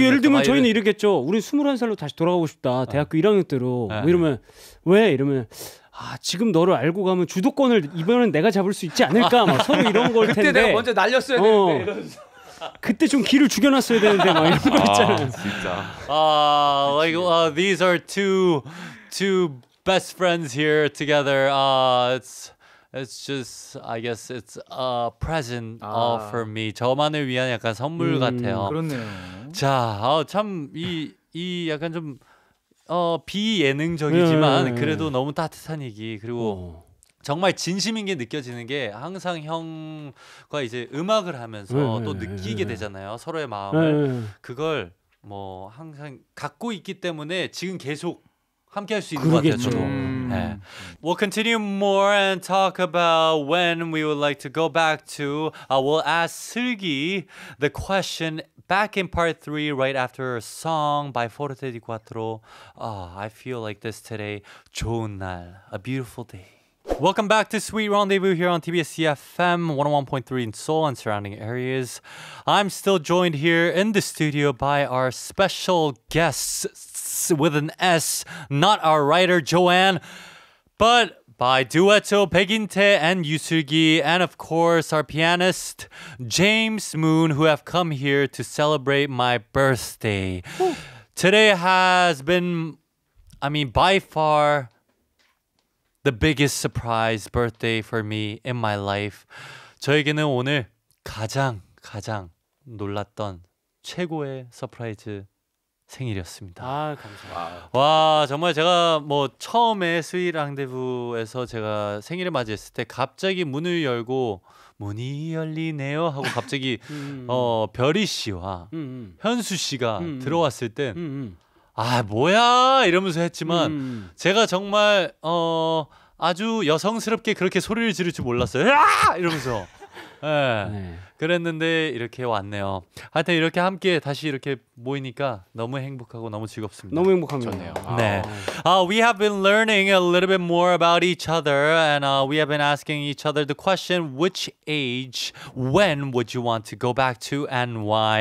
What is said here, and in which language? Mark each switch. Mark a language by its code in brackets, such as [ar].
[ko] 예를 들면 저희는 이랬겠죠. 우린 21살로 다시 돌아가고 싶다. 대학교 1학년 때로 뭐 이러면 왜? 이러면 지금 너를 알고 가면 주도권을 이번엔 내가 잡을 수 있지 않을까 막 서로 이런 걸 그때 텐데 그때 내가 먼저 날렸어야 되는데 그때 좀 길을 죽여놨어야 되는데 막 이런 거 있잖아요. 진짜 [en] like these are two best friends here together. It's just I guess it's a present for me. [ko] 저만을 위한 약간 선물 같아요. 그렇네요. 자, 참 이 약간 좀 비예능적이지만 그래도 너무 따뜻한 얘기 그리고 정말 진심인 게 느껴지는 게 항상 형과 이제 음악을 하면서 네, 또 느끼게 네, 되잖아요. 네. 서로의 마음을. 네, 그걸 뭐 항상 갖고 있기 때문에 지금 계속 함께 할 수 있는 그러겠죠. 것 같아요. 네. [en] We'll continue more and talk about when we would like to go back to we'll ask 슬기 the question back in part 3 right after a song by Forte di Quattro. I feel like this today. [ko] 좋은 날. [en] A beautiful day. Welcome back to Sweet Rendezvous here on TBS EFM 101.3 in Seoul and surrounding areas. I'm still joined here in the studio by our special guests with an S, not our writer Joanne, but by Duetto, 백인태 and 유슬기, and of course our pianist James Moon, who have come here to celebrate my birthday. Today has been, I mean, by far the biggest surprise birthday for me in my life. [ko] 저에게는 오늘 가장 가장 놀랐던 최고의 서프라이즈 생일이었습니다. 아, 감사합니다. 와, 정말 제가 뭐 처음에 스윗 랑데부에서 제가 생일을 맞이했을 때 갑자기 문을 열고 문이 열리네요 하고 갑자기 별이 씨와 현수 씨가 들어왔을 땐 아 뭐야 이러면서 했지만 제가 정말 아주 여성스럽게 그렇게 소리를 지를 줄 몰랐어요. 이러면서 네. 그랬는데 이렇게 왔네요. 하여튼 이렇게 함께 다시 이렇게 모이니까 너무 행복하고 너무 즐겁습니다. 너무 행복합니다. 좋네요. 네. [en] We have been learning a little bit more about each other and we have been asking each other the question which age, when would you want to go back to and why?